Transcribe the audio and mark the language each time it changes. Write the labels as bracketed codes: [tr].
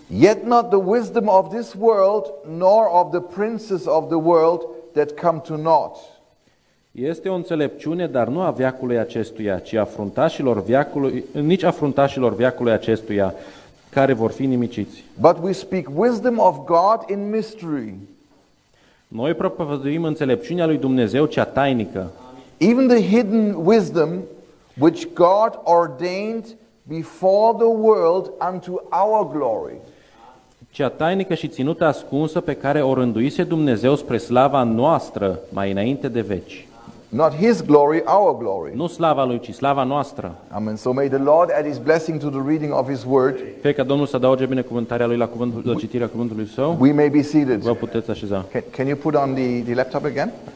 [en] Yet not the wisdom of this world, nor of the princes of the world that come to naught. [ro] Este o înțelepciune, dar nu a veacului acestuia, ci a fruntașilor veacului, nici a fruntașilor veacului acestuia, care vor fi nimiciți. [en] But we speak wisdom of God in mystery. [ro] Noi propovăduim înțelepciunea lui Dumnezeu cea tainică. [en] Even the hidden wisdom which God ordained before the world unto our glory. [ro] Cea tainică și ținută ascunsă pe care o rânduise Dumnezeu spre slava noastră mai înainte de veci. [en] Not his glory, our glory. [ro] Nu slava lui, ci slava noastră. Amen. [en] So may the Lord add his blessing to the reading of his word. [ro] Fie ca Domnul să adauge binecuvântarea lui la cuvântul, la citirea cuvântului său. [en] We may be seated. [ro] Vă puteți așeza. [en] Can you put on the laptop again?